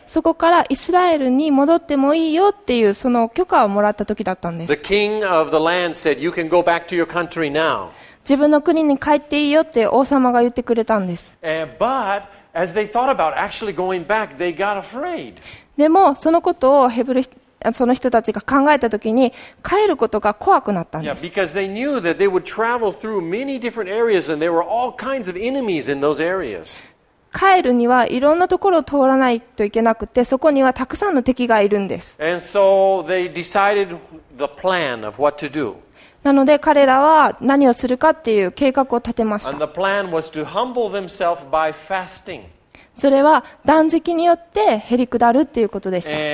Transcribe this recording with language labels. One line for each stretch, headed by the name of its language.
Japanese: そこからイスラエルに戻ってもいいよっていうその許可をもらった時だったんです。
English: The king of the land said, "You can go back to your country now."
Japanese: 自分の国に帰っていいよって王様が言ってくれたんです。
English: But as they thought about actually going back, they got afraid.
Japanese: でもそのことをヘブル人その人たちが考えたときに帰ることが怖くなったんです。
English: Yeah, because they knew that they would travel through many different areas and there were all kinds of enemies in those areas.
Japanese: 帰るにはいろんなところを通らないといけなくて、そこにはたくさんの敵がいるんです。
English: And so they decided the plan of what to do.
Japanese: なので彼らは何をするかっていう計画を立てました。
English: And the plan was to humble themselves by fasting.
Japanese: それは断食によってへりくだるっていうことでした。